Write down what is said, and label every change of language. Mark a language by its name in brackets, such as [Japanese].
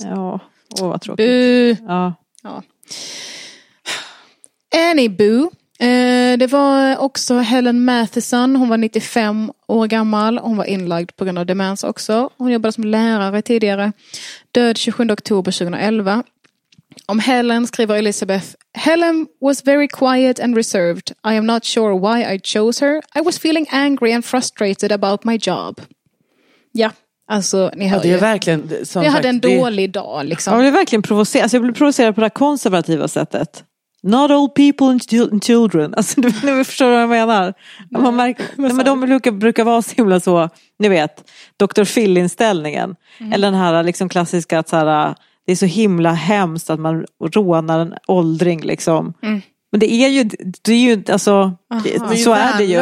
[Swedish] Ja. Åh, vad tråkigt. Ja. [English] Anyboo. [Swedish] Det var också Helen Matheson. Hon var 95 år gammal. Hon var inlagd på grund av demens också. Hon jobbade som lärare tidigare. Död 27 oktober 2011. Om Helen skriver Elizabeth, [English] Helen was very quiet and reserved. I am not sure why I chose her. I was feeling angry and frustrated about my job. [Swedish] Ja. Alltså, ni hade, det är verkligen, som sagt, hade en dålig dag. Liksom. Jag blev verkligen provocerad. Alltså, jag blev provocerad på det konservativa sättet. [English] Not all people and children. [Swedish] Alltså, nu förstår du vad jag menar. Man märker, men de brukar vara så himla så, ni vet, Dr. Phil-inställningen. Mm. Eller den här liksom, klassiska, att så här, det är så himla hemskt att man rånar en åldring. Liksom. Mm. Men det är ju, alltså, så är det ju.